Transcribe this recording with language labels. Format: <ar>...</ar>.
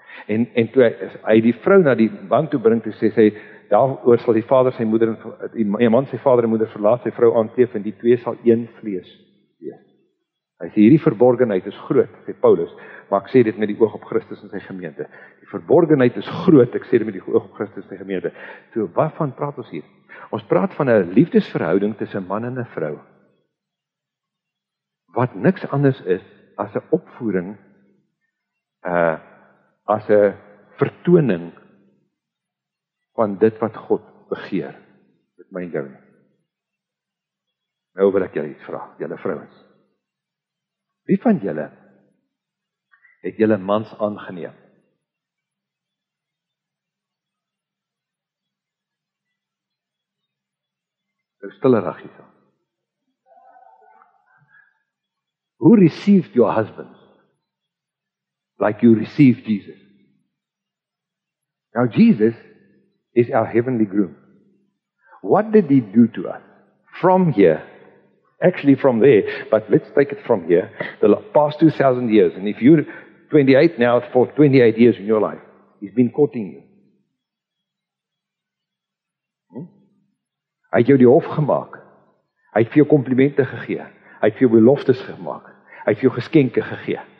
<af>En toe hy die vrou na die bank toe bring, toe sê sy, daaroor sal die vader sy moeder, die man sy vader en moeder verlaat, sy vrou aanteef, en die twee sal een vlees wees. Hy sê, hierdie verborgenheid is groot, sê Paulus, maar ek sê dit met die oog op Christus en sy gemeente. Die verborgenheid is groot, ek sê dit met die oog op Christus en sy gemeente. So, waarvan praat ons hier? Ons praat van een liefdesverhouding tussen man en een vrou, wat niks anders is as een opvoering, as een vertoning van dit wat God begeer, met my en jou. Nou wil ek jou iets vraag, julle vrouwens. Wie van julle het julle mans aangeneem? Nou stille ragie so.</af> <en>Who received your husband like you received Jesus? Now Jesus is our heavenly groom. What did he do to us? From here, actually from there, but let's take it from here, the past 2,000 years, and if you're 28 now, for 28 years in your life, he's been courting you.</en> <af>Hy het jou die hof gemaakt. Hy het vir jou complimente gegee. Hy het vir jou beloftes gemaakt. Hy het vir jou geskenke gegee.</af>